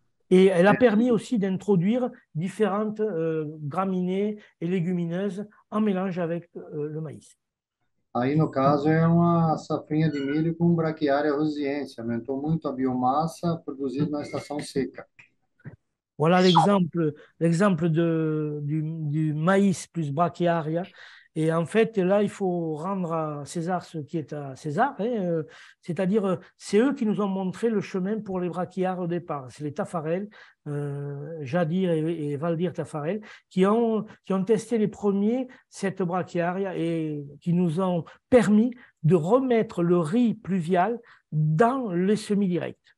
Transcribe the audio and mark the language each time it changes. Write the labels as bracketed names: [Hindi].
[French] Et elle a permis aussi d'introduire différentes graminées et légumineuses en mélange avec le maïs. [Portuguese] Aí, no caso, é uma safrinha de milho com braquiária rosiense. Aumentou muito a biomassa produzida na estação seca. [French] Voilà l'exemple du maïs plus brachiaria. Et en fait, là, il faut rendre à César ce qui est à César. Hein, c'est-à-dire, c'est eux qui nous ont montré le chemin pour les brachiaires au départ. C'est les Tafarel, Jadir et Valdir Tafarel, qui ont testé les premiers cette brachiaria et qui nous ont permis de remettre le riz pluvial dans les semis directs.